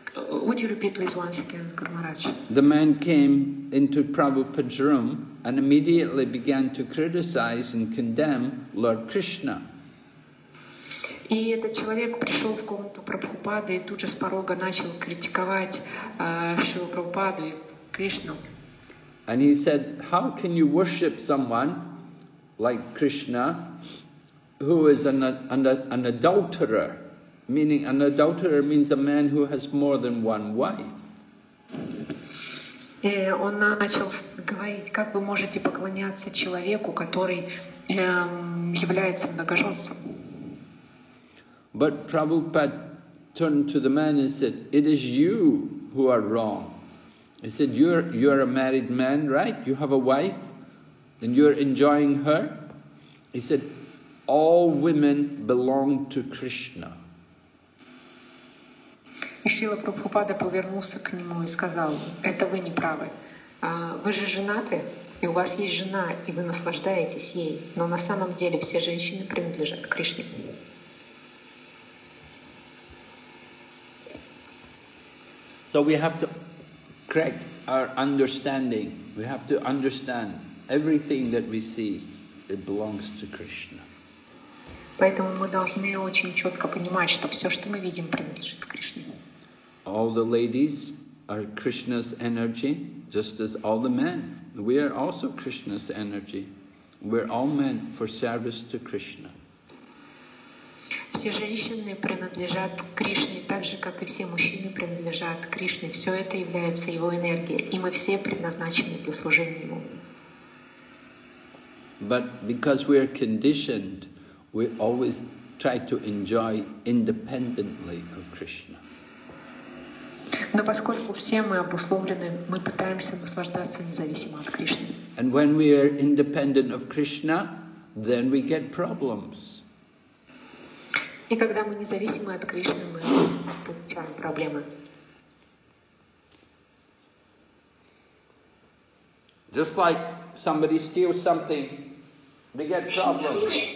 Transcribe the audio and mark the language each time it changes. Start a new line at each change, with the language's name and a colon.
English: Would you repeat please once again, Guru Maharaj? The man came into Prabhupada's room and immediately began to criticize and condemn Lord Krishna.
Russian: И этот человек пришел в комнату Прабхупады и тут же с порога начал критиковать Шрилу Прабхупаду и Кришну.
English: And he said, how can you worship someone like Krishna who is an adulterer? Meaning an adulterer means a man who has more than one wife.
Russian: Он начал говорить, как вы можете поклоняться человеку, который является многоженцем.
English: But Prabhupada turned to the man and said, "It is you who are wrong." He said, you're a married man, right? You have a wife and you're enjoying her." He said, "All women belong to Krishna."
Russian: И Шрила Прабхупада повернулся к нему и сказал: "Это вы не правы. Вы же женаты, и у вас есть жена, и вы наслаждаетесь ей, но на самом деле все женщины принадлежат Кришне."
English: So we have to correct our understanding. We have to understand everything that we see, it belongs to Krishna.
Russian: Поэтому мы должны очень четко понимать, что все, что мы видим, принадлежит Кришне.
English: All the ladies are Krishna's energy, just as all the men. We are also Krishna's energy. We're all men for service to Krishna.
Russian: Все женщины принадлежат Кришне, так же как и все мужчины принадлежат Кришне. Все это является его энергией, и мы все предназначены для служения ему.
English: But because we are conditioned, we always try to enjoy independently of Krishna.
Russian: Но поскольку все мы обусловлены, мы пытаемся наслаждаться независимо от Кришны.
English: And when we are independent of Krishna, then we get problems.
Russian: И когда мы независимы от Кришны, мы получаем проблемы.
English: Just like somebody steals something, they get problems.